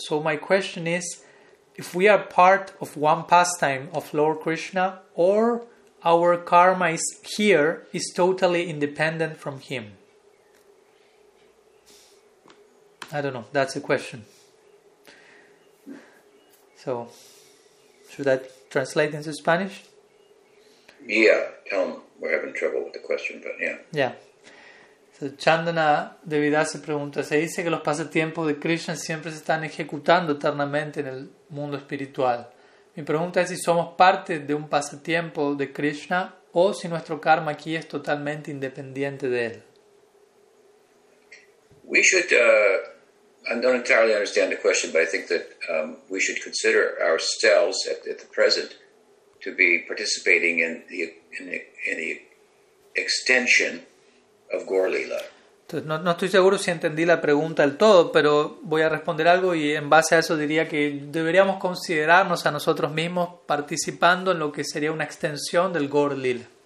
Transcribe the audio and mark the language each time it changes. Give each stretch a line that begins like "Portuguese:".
English: So my question is, if we are part of one pastime of Lord Krishna, or our karma is here, is totally independent from him? I don't know. That's a question. So, should I translate into Spanish? Yeah, tell him. We're having trouble with the question, but yeah. Yeah.
Spanish: So Chandana Devidasi pregunta, se dice que los pasatiempos de Krishna siempre se están ejecutando eternamente en el mundo espiritual. Mi pregunta es si somos parte de un pasatiempo de Krishna o si nuestro karma aquí es totalmente independiente de él.
English: We should, I don't entirely understand the question, but I think that we should consider ourselves at the present to be participating in the extension of Gaurlila.
Spanish: No estoy seguro si entendí la pregunta del todo, pero voy a responder algo y en base a eso diría que deberíamos considerarnos a nosotros mismos participando en lo que sería una extensión del Gaurlila.